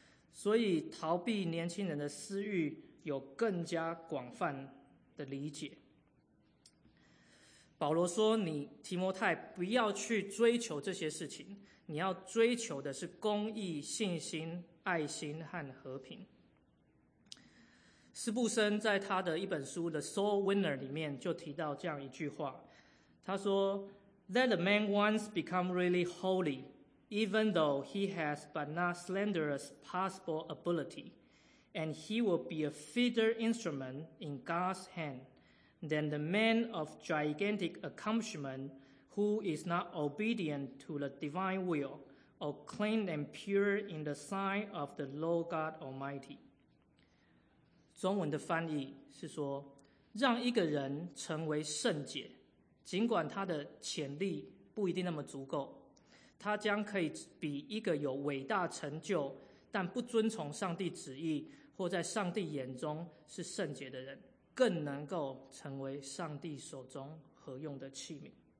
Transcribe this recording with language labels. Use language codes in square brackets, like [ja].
[zh] 所以逃避年轻人的私欲有更加广泛的理解。保罗说，你提摩太不要去追求这些事情，你要追求的是公义、信心、爱心和和平。斯布森在他的一本书《The Soul Winner》里面就提到这样一句话，他说 [en] ：“Let the man once become really holy, even though he has but not slenderous possible ability, and he will be a fitter instrument in God's hand than the man of gigantic accomplishment who is not obedient to the divine will or clean and pure in the sight of the Lord God Almighty。” [zh] 中文的翻译是说，让一个人成为圣洁，尽管他的潜力不一定那么足够，他将可以比一个有伟大成就但不遵从上帝旨意或在上帝眼中是圣洁的人更能够成为上帝手中合用的器皿。